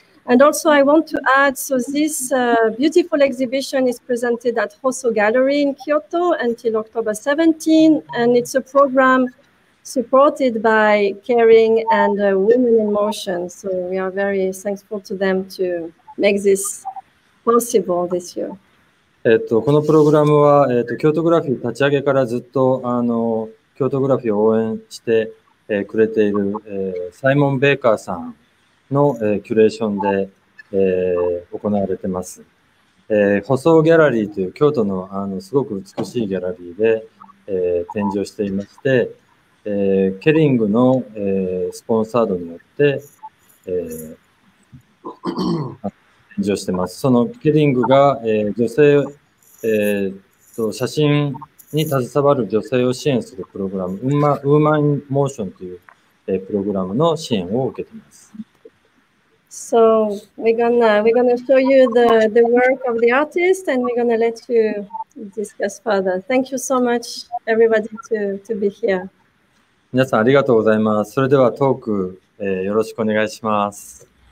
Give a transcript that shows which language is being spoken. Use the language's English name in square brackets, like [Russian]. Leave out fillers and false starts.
[English] And also, I want to add, so this beautiful exhibition is presented at Hosso Gallery in Kyoto until October 17, and it's a program supported by Caring and Women in Motion. So we are very thankful to them to make this possible this year. [Japanese] このプログラムは、京都グラフィー立ち上げからずっと、京都グラフィーを応援して、くれている、サイモン・ベーカーさんの、キュレーションで、行われてます。舗装ギャラリーという京都の、すごく美しいギャラリーで、展示をしていまして、ケリングの、スポンサードによって、展示をしてます。そのケリングが、女性、写真に携わる女性を支援するプログラム、ウーマンモーションという、プログラムの支援を受けています。 [English] So we're gonna show you the work of the artist and we're gonna let you discuss further. Thank you so much everybody to be here. [Japanese] 皆さんありがとうございます。それではトーク、よろしくお願いします。